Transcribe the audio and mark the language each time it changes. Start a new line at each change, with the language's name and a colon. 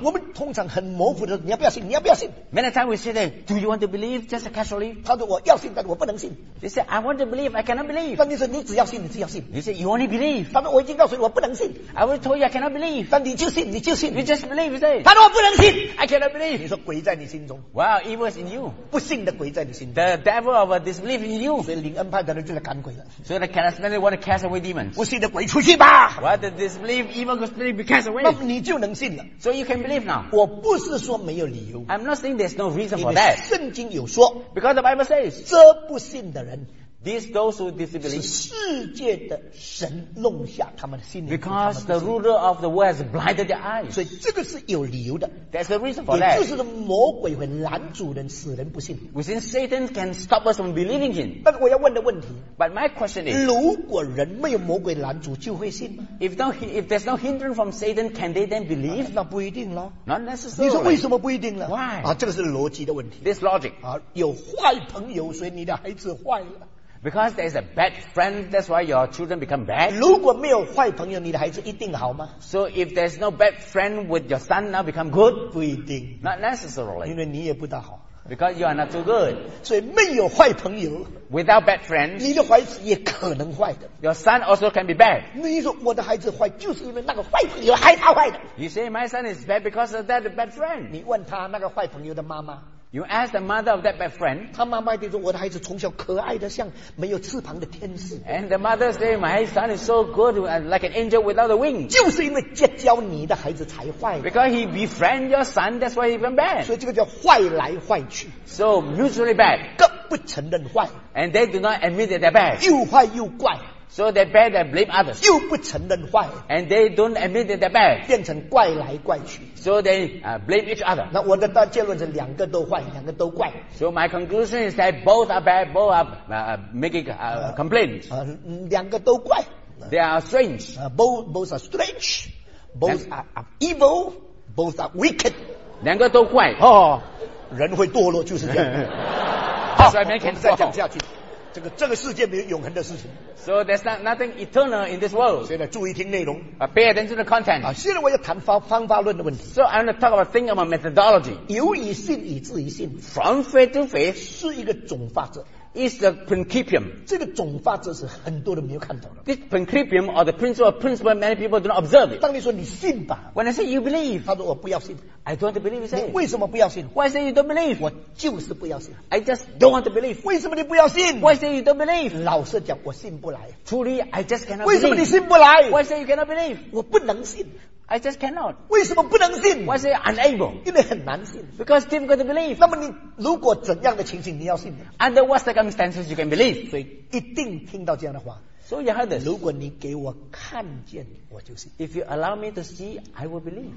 Chinese: 我们通常很模糊的，你要不要信？你要不要信
English: ？Many times we say that, "Do you want to believe?" Just casually.
Chinese: 他说我要信，但是我不能信。
English: He said, "I want to believe, I cannot believe."
Chinese: 但你说你只要信，你只要信。
English: He said, "You only believe."
Chinese: 他说我已经告诉你我不能信。
English: I already told you I cannot believe.
Chinese: 但你就信，你就信。
English: You just believe, you say.
Chinese: 他说我不能信
English: ，I cannot believe.
Chinese: 你说鬼在你心中。
English: Wow. Evil is in you.
Chinese: 不信的鬼在你心。
English: The devil of disbelief in you.
Chinese: 所以灵恩派的人就来赶鬼了。
English: So the charismatic want to cast away demons.
Chinese: 不信的鬼出去吧。
English: What the disbelief, evil spirit be cast away.
Chinese: 那你就能信了。
English: So you can believe now.
Chinese: 我不是说没有理由。
English: I'm not saying there's no reason for that.
Chinese: 圣经有说。
English: Because the Bible says,
Chinese: 这不信的人。
English: These those who disbelieve
Chinese: 是世界的神弄瞎他们的心灵。
English: Because the ruler of the world has blinded their eyes.
Chinese: 所以这个是有理由的。
English: There's a reason for that.
Chinese: 也就是魔鬼会拦阻人，使人不信。
English: We think Satan can stop us from believing him.
Chinese: 但是我要问的问题。
English: But my question is,
Chinese: 如果人没有魔鬼拦阻，就会信吗
English: ？If there's no hindrance from Satan, can they then believe?
Chinese: 那不一定咯。
English: Not necessarily.
Chinese: 你说为什么不一定呢
English: ？Why？
Chinese: 啊，这个是逻辑的问题。
English: This logic.
Chinese: 啊，有坏朋友，所以你的孩子坏了。
English: Because there is a bad friend, that's why your children become bad.
Chinese: 如果没有坏朋友，你的孩子一定好吗
English: ？So if there's no bad friend, would your son now become good?
Chinese: 不一定。
English: Not necessarily.
Chinese: 因为你也不大好。
English: Because you are not too good.
Chinese: 所以没有坏朋友。
English: Without bad friends,
Chinese: 你的孩子也可能坏的。
English: Your son also can be bad.
Chinese: 你说我的孩子坏，就是因为那个坏朋友害他坏的。
English: You say my son is bad because of that bad friend.
Chinese: 你问他那个坏朋友的妈妈。
English: You ask the mother of that bad friend.
Chinese: 他妈妈就说我的孩子从小可爱的像没有翅膀的天使。
English: And the mother say, my son is so good, like an angel without a wing.
Chinese: 就是因为结交你的孩子才坏。
English: Because he befriend your son, that's why he become bad.
Chinese: 所以这个叫坏来坏去。
English: So mutually bad.
Chinese: 更不承认坏。
English: And they do not admit that they're bad.
Chinese: 又坏又怪。
English: So they're bad and blame others.
Chinese: 又不承认坏。
English: And they don't admit that they're bad.
Chinese: 变成怪来怪去。
English: So they blame each other.
Chinese: 那我的大结论是两个都坏，两个都怪。
English: So my conclusion is that both are bad, both are making complaints.
Chinese: 两个都怪。
English: They are strange. Both are strange. Both are evil. Both are wicked.
Chinese: 两个都怪。哦，人会堕落就是这样。好，所以没可能再讲下去。这个世界没有永恒的事情。
English: So there's nothing eternal in this world.
Chinese: 现在注意听内容。
English: Pay attention to the content.
Chinese: 现在我要谈方法论的问题。
English: So I want to talk about thing about methodology.
Chinese: 由于信以至于信。
English: From faith to faith
Chinese: 是一个总法则。
English: Is the principium.
Chinese: 这个总法则是很多人没有看到的。
English: This principium or the principle of principle many people do not observe it.
Chinese: 当你说你信吧。
English: When I say you believe.
Chinese: 他说我不要信。
English: I don't believe, say.
Chinese: 你为什么不要信
English: ？Why say you don't believe?
Chinese: 我就是不要信。
English: I just don't want to believe.
Chinese: 为什么你不要信
English: ？Why say you don't believe?
Chinese: 老实讲，我信不来。
English: Truly, I just cannot
Chinese: believe. 为什么你信不来
English: ？Why say you cannot believe?
Chinese: 我不能信。
English: I just cannot.
Chinese: 为什么不能信
English: ？Why say unable?
Chinese: 因为很难信。
English: Because difficult to believe.
Chinese: 那么你如果怎样的情形你要信
English: ？Under what circumstances you can believe?
Chinese: 所以一定听到这样的话。
English: So you heard this.
Chinese: 如果你给我看见，我就信。
English: If you allow me to see, I will believe.